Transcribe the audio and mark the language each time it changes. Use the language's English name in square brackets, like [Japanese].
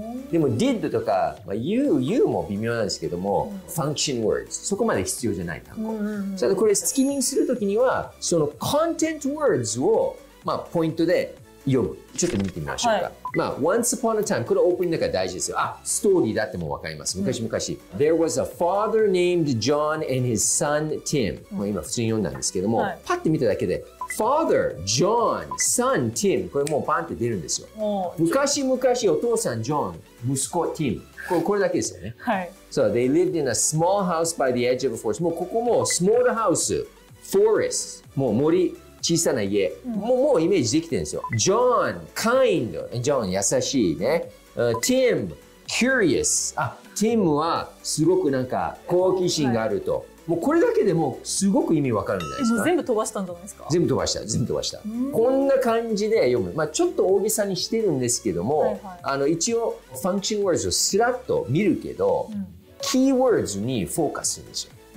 [Japanese] でも did とか、まあ、you も微妙なんですけども、うん、function words、そこまで必要じゃない単語。うんうんうん、そのこれスキミングするときには、その content words を、まあ、ポイントで読む。ちょっと見てみましょうか。はい、まあ、 [English] once upon a time、 [Japanese] これオープニングだから大事ですよ。あ、ストーリーだってもわかります。昔々、うん。 [English] There was a father named John and his son Tim。 [Japanese] うん、今普通に読んだんですけども、はい、パッて見ただけで、Father, John, son, Tim. これもうバンって出るんですよ。昔々お父さん、ジョン、息子、ティム。これだけですよね。はい。 [English] So they lived in a small house by the edge of a forest. [Japanese] もうここも [English] small house, forest. [Japanese] もう森、小さな家。もうイメージできてるんですよ。 John, kind. John, 優しいね。Tim, curious. あ、Tim はすごくなんか好奇心があると。もうこれだけでもすごく意味わかるんじゃないですか。もう全部飛ばしたんじゃないですか。全部飛ばした、全部飛ばした。うん、こんな感じで読む。まあちょっと大げさにしてるんですけども、はいはい、あの一応ファンクションワードをスラッと見るけど、うん、キーワードにフォーカスするんですよ。